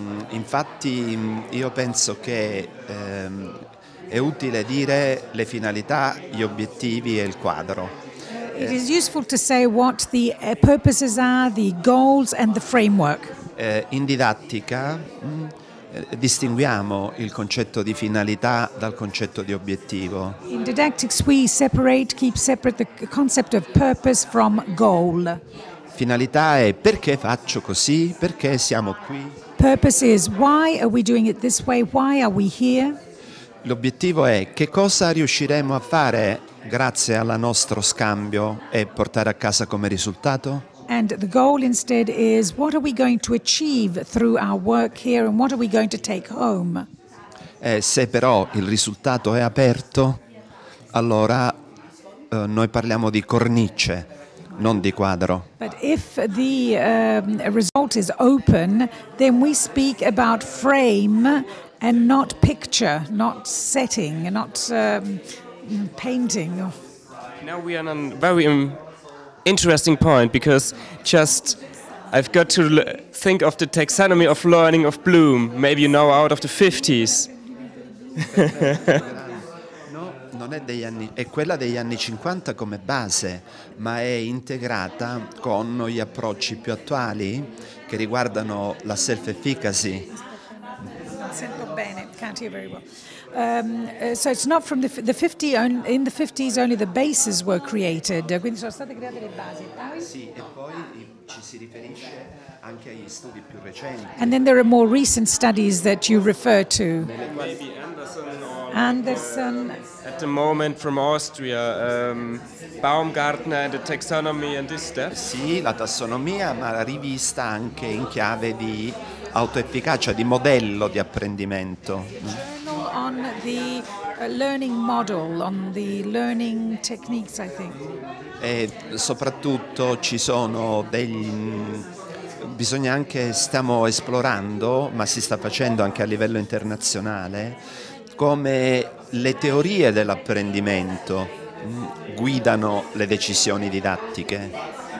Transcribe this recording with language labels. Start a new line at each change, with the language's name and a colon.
Italian: Infatti io penso che è utile dire le finalità, gli obiettivi e il quadro.
English: It is useful to say what the purposes are, the goals and the framework.
Italian: In didattica distinguiamo il concetto di finalità dal concetto di obiettivo.
English: In didactics we separate, keep separate the concept of purpose from goal.
Italian: Finalità è perché faccio così, perché siamo qui.
English: Purpose is why are we doing it this way, why are we here?
Italian: L'obiettivo è che cosa riusciremo a fare grazie al nostro scambio e portare a casa come risultato.
English: And the goal instead is what are we going to achieve through our work here and what are we going to take home?
Italian: Se però il risultato è aperto, allora noi parliamo di cornice, non di quadro.
English: But if the result is open, then we speak about frame and not picture, not setting, not painting. Now we are on a very interesting point, because just I've got to think of the taxonomy of learning of Bloom, maybe you know, out of the 50s.
Italian: No, non è degli anni, è quella degli anni 50 come base, ma è integrata con gli approcci più attuali che riguardano la self-efficacy. Sento bene,
English: can't hear very well. So it's not from the 50, in the 50s only the bases were created.
Italian: Quindi sono state create le basi. Sì, e poi ci si riferisce anche agli studi più recenti.
English: And then there are more recent studies that you refer to. Maybe Anderson. Anderson. At the moment from Austria, Baumgartner and the taxonomy and this stuff.
Italian: Sì, la tassonomia, ma rivista anche in chiave di autoefficacia, di modello di apprendimento.
English: On the learning model, on the learning techniques, I think.
Italian: E soprattutto ci sono degli, bisogna anche, stiamo esplorando, ma si sta facendo anche a livello internazionale, come le teorie dell'apprendimento guidano le decisioni didattiche.